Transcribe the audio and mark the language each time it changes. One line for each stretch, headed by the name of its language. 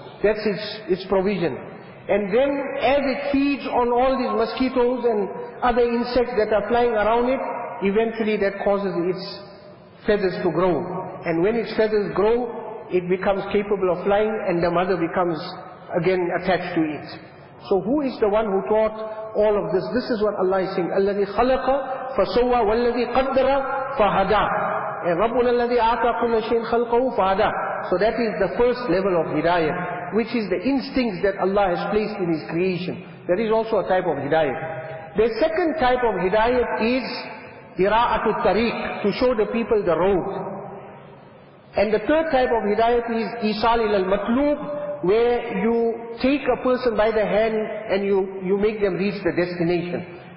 English: That's its provision. And then as it feeds on all these mosquitoes and other insects that are flying around it, eventually that causes its feathers to grow. And when its feathers grow, it becomes capable of flying and the mother becomes again attached to it. So who is the one who taught all of this? This is what Allah is saying.
Arabic: الَّذِي خَلَقَ فَسَوَّى وَالَّذِي قَدَّرَ فَهَدَى. And رَبُّنَا الَّذِي آتَى كُلَّ شَيْءٍ خَلْقَهُ فَهَدَى.
English: So that is the first level of hidayah, which is the instincts that Allah has placed in His creation. That is also a type of hidayat. The second type of hidayat is ira'atul tariq, to show the people the road. And the third type of hidayat is Isal ilal matlub, where you take a person by the hand and you make them reach the destination.